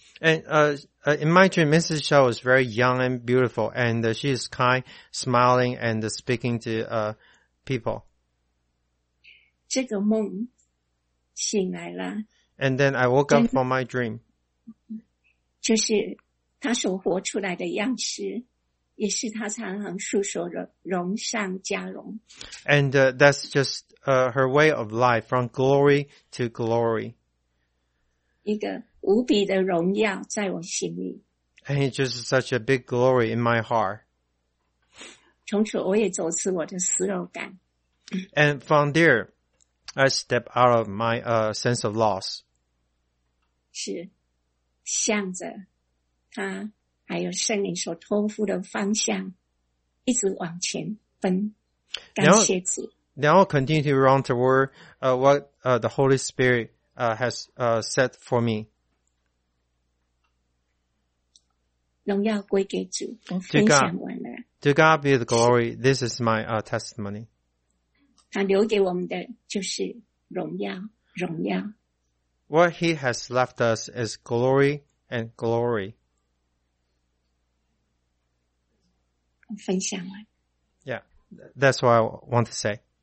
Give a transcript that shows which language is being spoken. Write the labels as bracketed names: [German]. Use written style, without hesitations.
[English] And in my dream, Mrs. Chow was very young and beautiful, and she is kind, smiling, and speaking to people. [Chinese] 这个梦醒来了。 [English] And then I woke up from my dream. [Chinese] 就是他所活出来的样式，也是他常常诉说的荣上加荣。 [English] And that's just her way of life, from glory to glory. [Chinese] 一个无比的荣耀在我心里。 [English] And it's just such a big glory in my heart. [Chinese] 从此我也走出我的死肉感。 [English] And from there, I step out of my sense of loss. [Chinese] 是。向着他还有圣灵所托付的方向一直往前奔，感谢主。 [English] Now continue to run toward what the Holy Spirit has set for me. [Chinese] 荣耀归给主，我分享完了。 [English] To God be the glory. This is my testimony. [Chinese] 他留给我们的就是荣耀，荣耀。 [English] What he has left us is glory and glory. [Chinese] 分享完。 [English] Yeah, that's what I want to say.